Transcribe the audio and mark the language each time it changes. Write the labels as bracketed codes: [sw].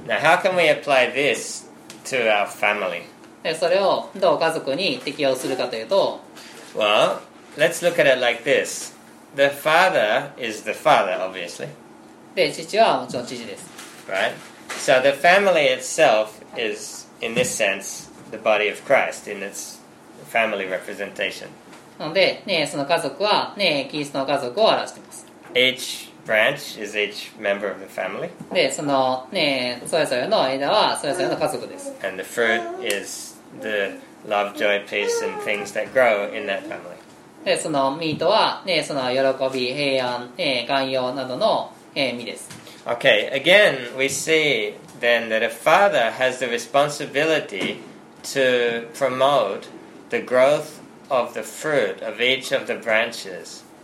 [en] Now, how can we apply this to our family? [ja] で、それをどう家族に適用するかというと、 [en] Well, let's look at it like this. The father is the father, obviously. [ja] で、父はもちろん父です。 [en] Right? So the family itself is, in this sense,the body of Christ in its family representation. [ja] なので、ね、その家族は、ね、キリストの家族を表しています。 [en] Each branch is each member of the family. [ja] で、その、ね、それぞれの枝はそれぞれの家族です。 [en] And the fruit is the love, joy, peace, and things that grow in that family. [ja] で、その実とは、ね、その喜び、平安、ね、寛容などの、実です。 [en] Okay, again, we see then that a father has the responsibility. To promote the growth of the fruit of each of the branches.